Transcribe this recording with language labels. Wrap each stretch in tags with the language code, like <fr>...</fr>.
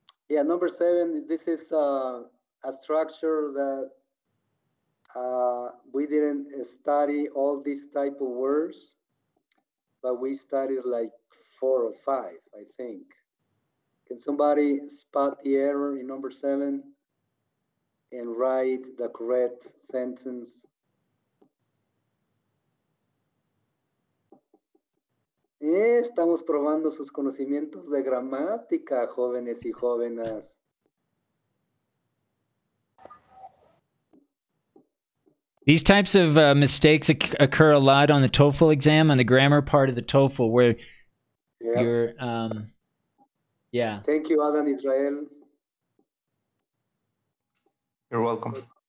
<en>Yeah, number seven, this is a structure that we didn't study all these type of words, but we studied like four or five, I think. Can somebody spot the error in number seven and write the correct sentence?</en> <es>Estamos probando sus conocimientos de gramática, jóvenes y jóvenes.</es> <en>These types of mistakes occur a lot on the TOEFL exam, on the grammar part of the TOEFL, where Thank you, Adam Israel. You're welcome.</en>